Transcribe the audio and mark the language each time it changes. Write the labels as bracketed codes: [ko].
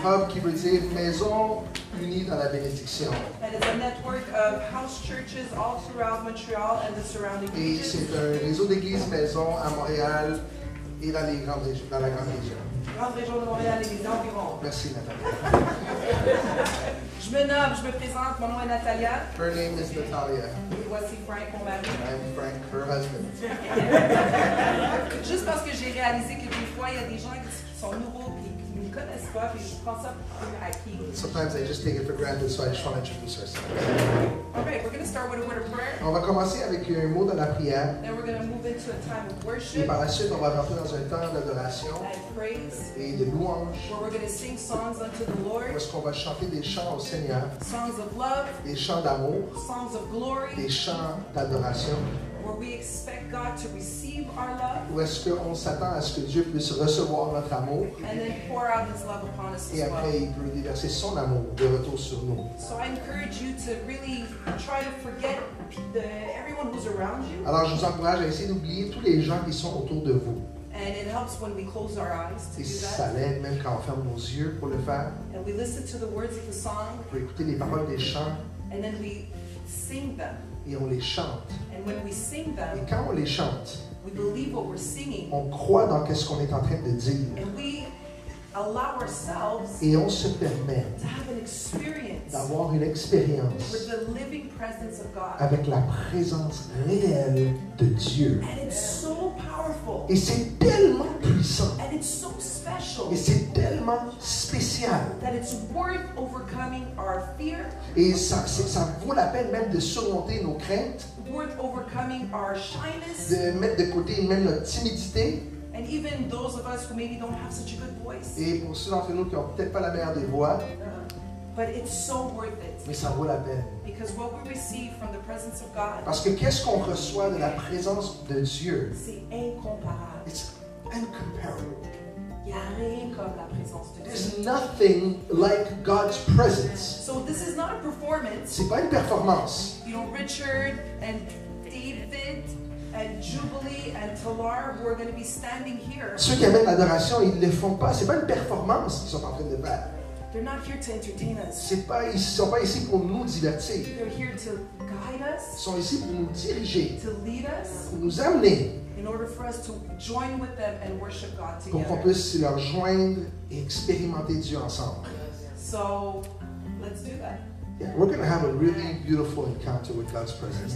[fr] Hub qui veut dire maison unie dans la bénédiction. [en] And it's a network of house churches all throughout Montreal and the surrounding regions. [fr] Et c'est un réseau d'églises maison à Montréal et dans les grandes régions, dans la grande région. Grande région de Montréal, l'église environ. Merci, Nathalie. Je me présente, mon nom est Natalia. [en] Her name is Natalia. [fr] Et voici Frank, mon mari. [en] I'm Frank, her husband. [fr] Juste parce que j'ai réalisé que des fois, il y a des gens qui sont nouveaux et qui ne nous connaissent pas, puis je prends ça pour acquis. [en] Sometimes I just take it for granted, so I just want to introduce ourselves. All right, we're going to start with a word of prayer. [fr] On va commencer avec un mot de la prière. [en] Then we're going to move into a time of worship. [fr] Et par la suite, on va rentrer dans un temps d'adoration. [en] And praise. [fr] Et de louange. [en] Where we're going to sing songs unto the Lord. [fr] Où est-ce qu'on va chanter des chants au Seigneur. [en] Songs of love. [fr] Des chants d'amour. [en] Songs of glory. [fr] Des chants d'adoration. [en] Where we expect God to receive our love. [fr] Où est-ce qu'on s'attend à ce que Dieu puisse recevoir notre amour. [en] And then pour out his love upon us [fr] et [en] as well. [fr] Et après, il peut déverser son amour de retour sur nous. [en] So I encourage you to really try to forget everyone who's around you. [fr] Alors, je vous encourage à essayer d'oublier tous les gens qui sont autour de vous. [en] And it helps when we close our eyes to [fr] et [en] do that. [fr] Ça l'aide même quand on ferme nos yeux pour le faire. [en] And we listen to the words of the song. [fr] Pour écouter les paroles des chants. [en] And then we sing them. [fr] Et on les chante. [en] And when we sing them, [fr] et quand on les chante, [en] we believe what we're singing, [fr] on croit dans ce qu'on est en train de dire. [en] And we allow ourselves [fr] et on se permet [en] to have an experience [fr] d'avoir une expérience [en] with the living presence of God. [fr] Avec la présence réelle de Dieu. [en] And it's so powerful. [fr] Et c'est tellement puissant. [en] And it's so special. [fr] Et c'est tellement spécial. [en] That it's worth overcoming our fear. [fr] Et ça vaut la peine même de surmonter nos craintes. [en] Worth overcoming our shyness. [fr] De mettre de côté même notre timidité. [en] And even those of us who maybe don't have such a good voice. [fr] Et pour ceux d'entre nous qui ont peut-être pas la meilleure des voix. [en] But it's so worth it. [fr] Mais ça vaut la peine. [en] Because what we receive from the presence of God. [fr] Parce que qu'est-ce qu'on reçoit de la présence de Dieu? C'est incomparable. [en] It's incomparable. [fr] Il n'y a rien comme la présence de Dieu. [en] There's nothing like God's presence. So this is not a performance. [fr] C'est pas une performance. [en] You know, Richard and David and Jubilee and Talar were going to be standing here. [fr] Ceux qui amènent l'adoration, ils ne le font pas. C'est pas une performance qu'ils sont en train de faire. [en] They're not here to entertain us. [fr] C'est pas, ils sont pas ici pour nous divertir. [en] They're here to guide us. [fr] Ils sont ici pour nous diriger. [en] To lead us. [fr] Pour nous amener. [en] In order for us to join with them and worship God together. [fr] Pour qu'on puisse leur joindre et expérimenter Dieu ensemble. [en] So, let's do that. Yeah, we're going to have a really beautiful encounter with God's presence.